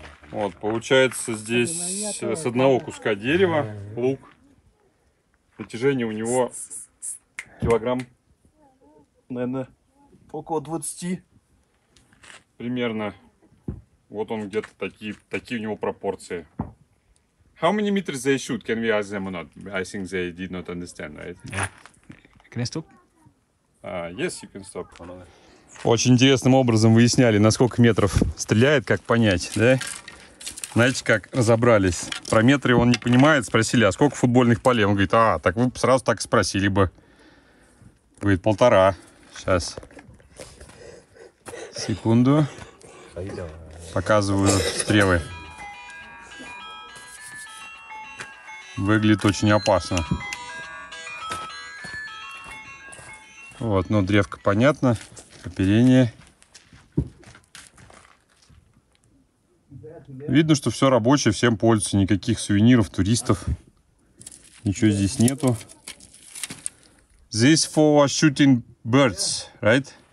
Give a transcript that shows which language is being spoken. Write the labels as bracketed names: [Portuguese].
[Russian] Вот, получается, здесь с одного куска дерева лук, натяжение у него килограмм, наверное, около 20 примерно. Вот он где-то такие у него пропорции. [English] How many meters they shoot? Can we ask them or not? I think they did not understand, right? Yeah. Can I stop? Yes, you can stop. [Russian] Очень интересным образом выясняли, на сколько метров стреляет, как понять, да? Знаете, как разобрались? Про метры он не понимает. Спросили, а сколько футбольных полей? Он говорит, а, так вы сразу так спросили бы. Говорит, полтора. Сейчас. Секунду. Показываю стрелы. Выглядит очень опасно. Вот, ну, древко понятно. Оперение. Видно, что все рабочее, всем пользуется. Никаких сувениров, туристов. Ничего здесь нету. [English] This for shooting birds, right?